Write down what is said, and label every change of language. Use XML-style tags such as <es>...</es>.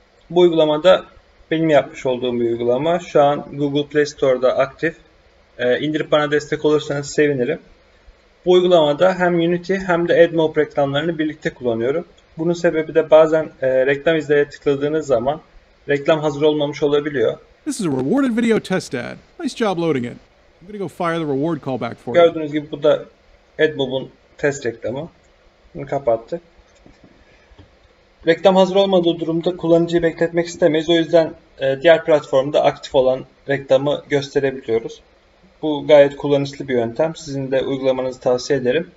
<tr>Bu uygulamada benim yapmış olduğum bir uygulama. Şu an Google Play Store'da aktif. İndirip bana destek olursanız sevinirim. Bu uygulamada hem Unity hem de AdMob reklamlarını birlikte kullanıyorum. Bunun sebebi de bazen reklam izleye tıkladığınız zaman reklam hazır olmamış olabiliyor.</tr> <en>This is a rewarded video test ad. Nice job loading it. I'm gonna go fire the reward callback for you.</en> <tr>Gördüğünüz gibi bu da AdMob'un test reklamı. Bunu kapattık. Reklam hazır olmadığı durumda kullanıcıyı bekletmek istemeyiz. O yüzden diğer platformda aktif olan reklamı gösterebiliyoruz. Bu gayet kullanışlı bir yöntem. Sizin de uygulamanızı tavsiye ederim.</tr>